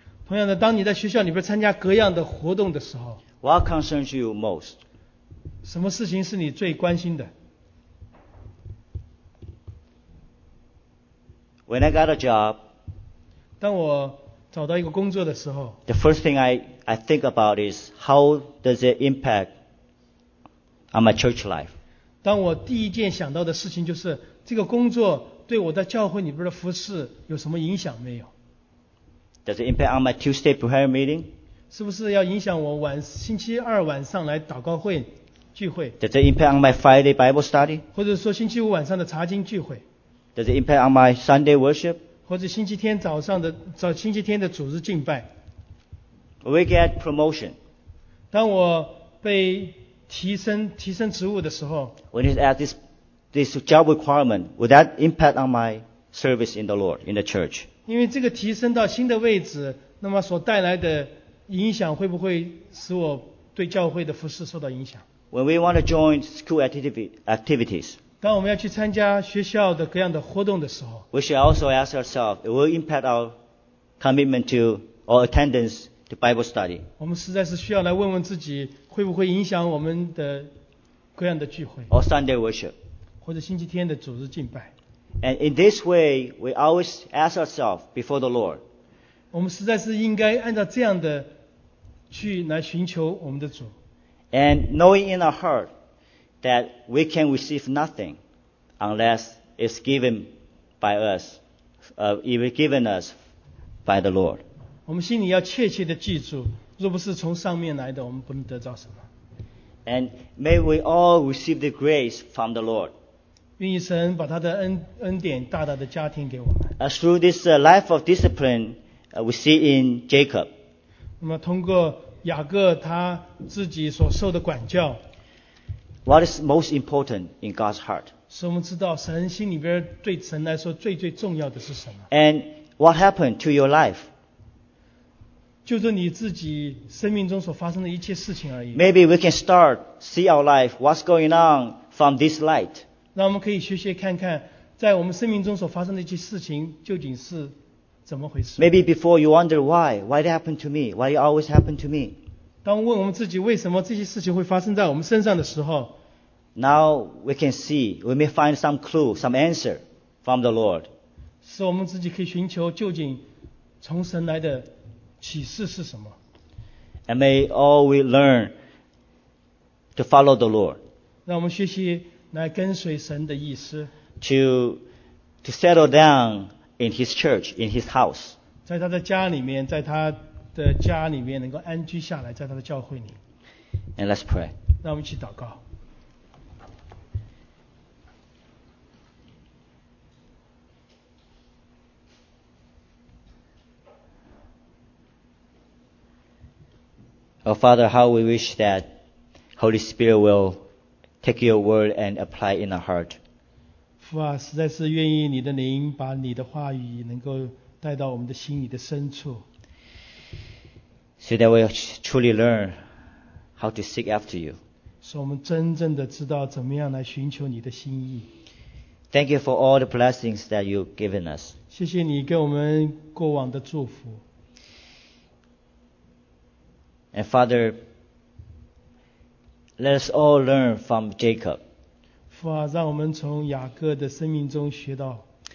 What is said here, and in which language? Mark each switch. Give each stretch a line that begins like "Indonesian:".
Chinese: 同样的，当你在学校里边参加各样的活动的时候
English: ，What concerns you most？
Chinese: 什么事情是你最关心的
English: ？When I got a job。
Chinese: 当我找到一个工作的时候
English: ，The first thing I think about is how does it impact on my church life。
Chinese: 当我第一件想到的事情就是这个工作对我在教会里边的服事有什么影响没有
English: ？Does it impact on my Tuesday prayer meeting？
Chinese: 是不是要影响我星期二晚上来祷告会聚会
English: ？Does it impact on my Friday Bible study？
Chinese: 或者说星期五晚上的查经聚会
English: ？Does it impact on my Sunday worship？
Chinese: 或者星期天早上的早星期天的主日敬拜
English: ，We get promotion。
Chinese: 当我被提升职务的时候
English: ，When you add this job requirement, would that impact on my service in the Lord in the church？
Chinese: 因为这个提升到新的位置，那么所带来的影响会不会使我对教会的服事受到影响
English: ？When we want to join school activities。
Chinese: 当我们要去参加学校的各样的活动的时候
English: ，We should also ask ourselves, it will impact our commitment to or attendance to Bible study.
Chinese: 我们实在是需要来问问自己，会不会影响我们的各样的聚会
English: ，or Sunday worship,
Chinese: 或者星期天的主日敬拜。
English: And in this way, we always ask ourselves before the Lord.
Chinese: 我们实在是应该按照这样的去来寻求我们的主。
English: And knowing in our heart. That we can receive nothing unless it's given by us, if it's given us by the Lord.
Chinese: 我们心里要切切地记住，若不是从上面来的，我们不能得到什么。
English: And may we all receive the grace from the Lord.
Chinese: 愿意神把他的恩典大大的加添给我们。
English: Through this life of discipline, we see in Jacob.
Chinese: 那么通过雅各他自己所受的管教。
English: What is most important in God's heart?
Chinese: 是我们知道神心里边对神来说最最重要的是什么
English: ？And what happened to your life?
Chinese: 就是你自己生命中所发生的一切事情而已。
English: Maybe we can start see our life, what's going on from this light.
Chinese: 让我们可以学习看看，在我们生命中所发生的一切事情究竟是怎么回事。
English: Maybe before you wonder why it happened to me, why it always happened to me.
Chinese: 当问我们自己为什么这些事情会发生在我们身上的时候。
English: Now we can see, we may find some clue, some answer from the Lord.
Chinese: 使我们自己可以寻求究竟从神来的启示是什么。
English: And may all we learn to follow the Lord.
Chinese: 让我们学习来跟随神的意思。
English: To settle down in his church, in his house.
Chinese: 在他的家里面，在他的家里面能够安居下来，在他的教会里。
English: And let's pray.
Chinese: 让我们一起祷告。
English: Oh Father, how we wish that Holy Spirit will take your word and apply in our heart.
Chinese: 父啊，实在是愿意你的灵把你的话语能够带到我们的心里的深处。
English: So that we truly learn how to seek after you.
Chinese: 使我们真正的知道怎么样来寻求你的心意。
English: Thank you for all the blessings that you've given us.
Chinese: 谢谢你给我们过往的祝福。
English: And Father, let us all learn from Jacob.
Chinese: 父啊，让我们从雅各的生命中学到。